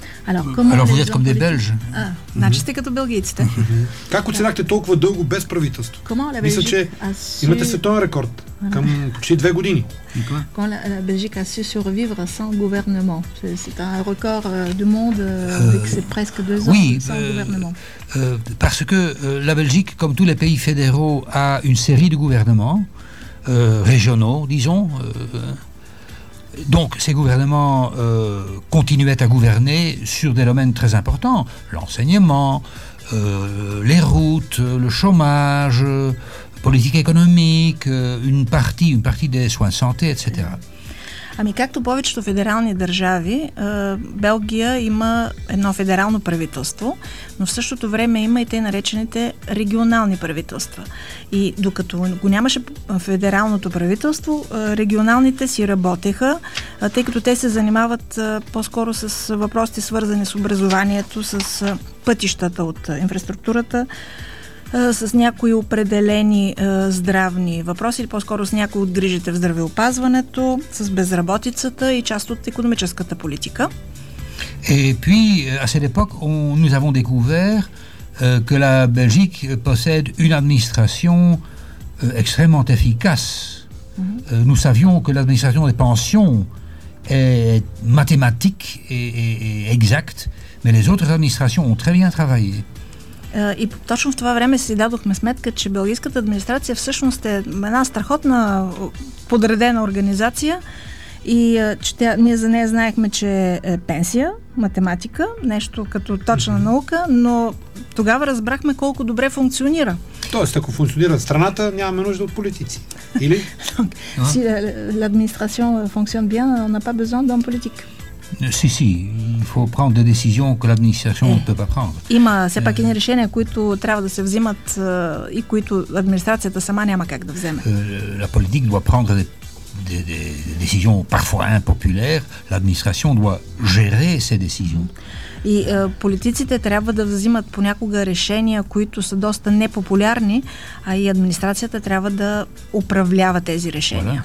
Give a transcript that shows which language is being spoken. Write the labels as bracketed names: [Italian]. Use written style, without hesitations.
[French] Alors, vous êtes comme des Belges. [Bulgarian] Значи сте като белгийците. Как оцеляхте толкова дълго без правителство? Мисля, че имате световен рекорд към почти две години. [French] Quand la Belgique a su survivre sans gouvernement. C'est un record du monde avec ses presque deux ans sans gouvernement. Parce que la Belgique, comme tous les pays fédéraux, a une série de gouvernements régionaux, disons. Donc ces gouvernements continuaient à gouverner sur des domaines très importants. L'enseignement, les routes, le chômage... [Bulgarian] Политика економика, [French] une partie des soins de santé, etc. [Bulgarian] Ами както повечето федерални държави, Белгия има едно федерално правителство, но в същото време има и те наречените регионални правителства. И докато го нямаше федералното правителство, регионалните си работеха, тъй като те се занимават по-скоро с въпросите свързани с образованието, с пътищата от инфраструктурата, с някои определени здравни въпроси, или по-скоро с някои от грижите в здравеопазването, с безработицата и част от икономическата политика. [French] Et puis, à cette époque, nous avons découvert que la Belgique possède une administration extrêmement efficace. Nous savions que l'administration des pensions est mathématique et exacte, mais les autres administrations ont très bien travaillé. [Bulgarian] И точно в това време си дадохме сметка, че белгийската администрация всъщност е една страхотна подредена организация и че ние за нея знаехме, че е пенсия, математика, нещо като точна наука, но тогава разбрахме колко добре функционира. Тоест, ако функционира страната, нямаме нужда от политици. Или? [French] Си, l'administration fonctionne bien, on n'a pas besoin d'un politique. Си, си. Faut prendre des décisions que l'administration ne peut pas prendre. [Bulgarian] Има все пак едни решения, които трябва да се взимат и които администрацията сама няма как да вземе. [French] La politique doit prendre des décisions parfois impopulaires. L'administration doit gérer ces décisions. [Bulgarian] И политиците трябва да взимат понякога решения, които са доста непопулярни, а и администрацията трябва да управлява тези решения.